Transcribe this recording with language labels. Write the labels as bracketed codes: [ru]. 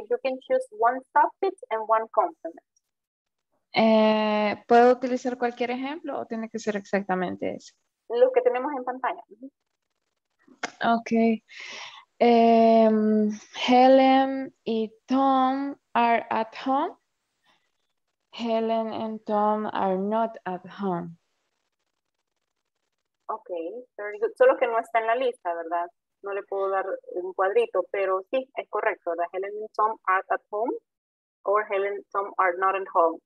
[en] You can choose one subject and one complement. [es] ¿Puedo utilizar cualquier ejemplo o tiene que ser exactamente eso? Lo que tenemos en pantalla. [en] Ok. Helen y Tom are at home. Helen and Tom are not at home. Ok, very good. [es] Solo que no está en la lista, ¿verdad? no le puedo dar un cuadrito, pero sí, es correcto. [en] The Helen and Tom are at home or Helen and Tom are not at home.